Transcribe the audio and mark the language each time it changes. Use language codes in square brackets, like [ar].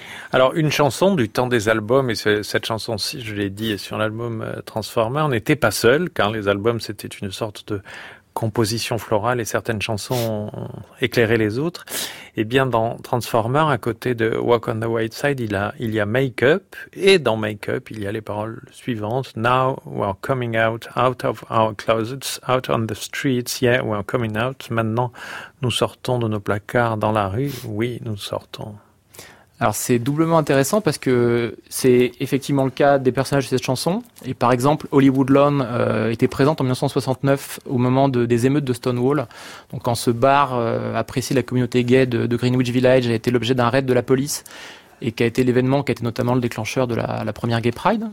[fr] Alors, une chanson du temps des albums, et cette chanson-ci, je l'ai dit, est sur l'album Transformer, n'était pas seul, car les albums, c'était une sorte de composition florale, et certaines chansons éclairaient les autres. Et bien, dans Transformer, à côté de Walk on the White Side, il y a Make Up, et dans Make Up, il y a les paroles suivantes. [en] Now we're coming out, out of our closets, out on the streets, yeah, we're coming out. [fr] Maintenant, nous sortons de nos placards dans la rue. Oui, nous sortons. Alors, c'est doublement intéressant parce que c'est effectivement le cas des personnages de cette chanson. Et par exemple, Hollywood Lawn était présente en 1969 au moment des émeutes de Stonewall. Donc, quand ce bar apprécié la communauté gay de Greenwich Village a été l'objet d'un raid de la police et qui a été l'événement qui a été notamment le déclencheur de la première Gay Pride.